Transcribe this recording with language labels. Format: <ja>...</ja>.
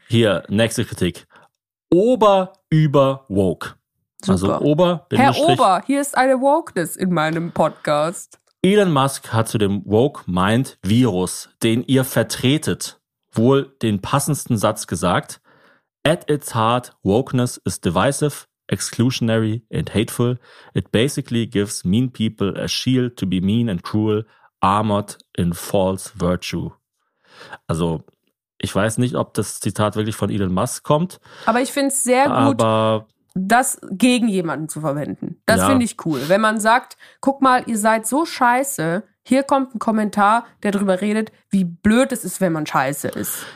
<de>Hier, nächste Kritik. Ober, über, woke. Super. Also Ober, Herr Ober, hier ist eine Wokeness in meinem Podcast. Elon Musk hat zu dem Woke-Mind-Virus, den ihr vertretet, wohl den passendsten Satz gesagt.</de> <en>At its heart, wokeness is divisive, exclusionary and hateful. It basically gives mean people a shield to be mean and cruel, armored in false virtue.</en> <de>Also, ich weiß nicht, ob das Zitat wirklich von Elon Musk kommt. Aber ich finde es sehr gut, das gegen jemanden zu verwenden. Das ja. finde ich cool. Wenn man sagt, guck mal, ihr seid so scheiße, hier kommt ein Kommentar, der darüber redet, wie blöd es ist, wenn man scheiße ist.</de>